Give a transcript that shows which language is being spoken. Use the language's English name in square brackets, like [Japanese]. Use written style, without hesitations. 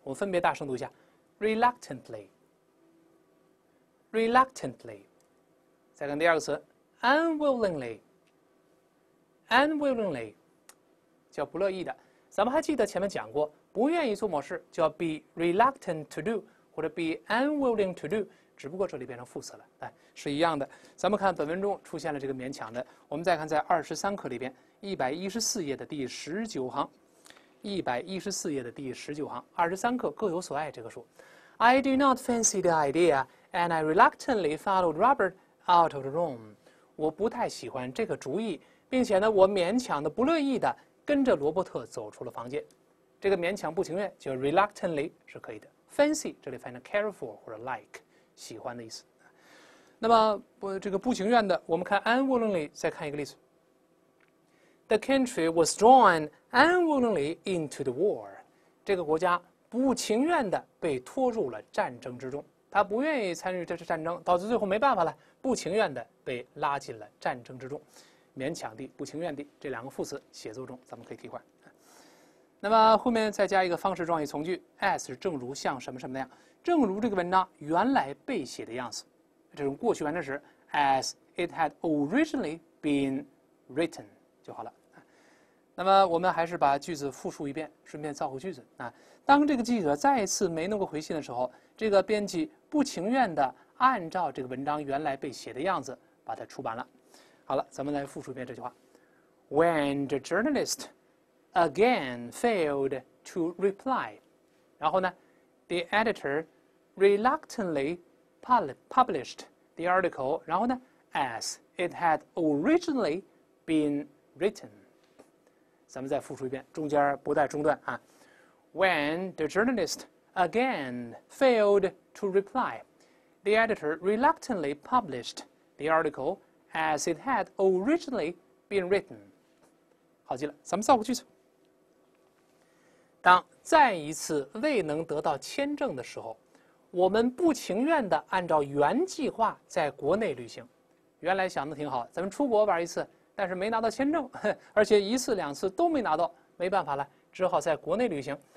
[Chinese] 我分别大声读一下 ：reluctantly，reluctantly。Reluctantly, 再看第二个词 ，unwillingly，unwillingly， 叫不乐意的。咱们还记得前面讲过，不愿意做某事叫 [English] be reluctant to do， [Chinese] 或或者 [English] be unwilling to do， [Chinese] 只不过这里变成副词了，哎，是一样的。咱们看本文中出现了这个勉强的，我们再看在23课里边114页的第19行，23课各有所爱这个书。 [English] I do not fancy the idea, and I reluctantly followed Robert out of the room. [Chinese] 我不太喜欢这个主意，并且呢，我勉强的、不乐意的跟着罗伯特走出了房间。这个勉强不情愿就 reluctantly 是可以的。Fancy 这里翻译成 careful 或者 like， 喜欢的意思。那么这个不情愿的，我们看 unwillingly， 再看一个例子。 [English] The country was drawn unwillingly into the war. [Chinese] 这个国家不情愿地被拖入了战争之中，他不愿意参与这次战争，导致最后没办法了，不情愿地被拉进了战争之中。勉强地、不情愿地，这两个副词写作中咱们可以替换。那么后面再加一个方式状语从句 ，as 正如像什么什么那样，正如这个文章原来被写的样子，这种过去完成时 ， [English] as it had originally been written [Chinese] 就好了。那么我们还是把句子复述一遍，顺便造个句子啊。当这个记者再次没能够回信的时候，这个编辑不情愿地按照这个文章原来被写的样子把它出版了。好了，咱们来复述一遍这句话 [English] ：When the journalist again failed to reply， [Chinese] 然后呢 [English] ，the editor reluctantly published the article， 然后呢 ，as it had originally been written。 [Chinese] 咱们再复述一遍，中间不带中断啊。 [English] When the journalist again failed to reply, the editor reluctantly published the article as it had originally been written. [Chinese] 好极了，咱们造个句子。当再一次未能得到签证的时候，我们不情愿地按照原计划在国内旅行。原来想的挺好，咱们出国玩一次。但是没拿到签证，而且一次两次都没拿到，没办法了，只好在国内旅行。